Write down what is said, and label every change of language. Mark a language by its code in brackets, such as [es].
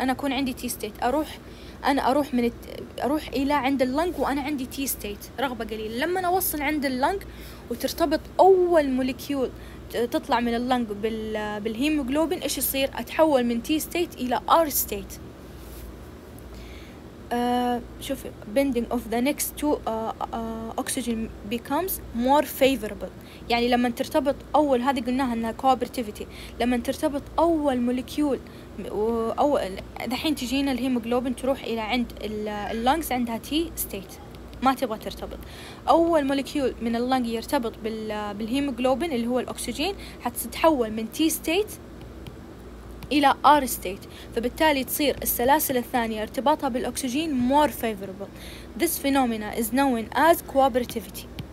[ar] أنا أكون عندي تي ستيت, أروح أنا أروح من أروح إلى عند اللنج وأنا عندي تي ستيت رغبة قليلة. لما أنا أوصل عند اللنج وترتبط أول موليكيول تطلع من اللنج بالهيموغلوبين, إيش يصير؟ أتحول من تي ستيت إلى آر ستيت. شوف [en] bending of the next two oxygen becomes more favorable. [ar] يعني لما ترتبط أول, هذه قلناها أنها cooperativity, لما ترتبط أول مولكيول أول دحين تجينا الهيموغلوبين تروح إلى عند اللنجز عندها T state ما تبغى ترتبط. أول مولكيول من اللنج يرتبط بالهيموغلوبين اللي هو الأكسجين حتتحول من T state إلى R state, فبالتالي تصير السلاسل الثانية ارتباطها بالأكسجين [en] more favorable. This phenomena is known as cooperativity.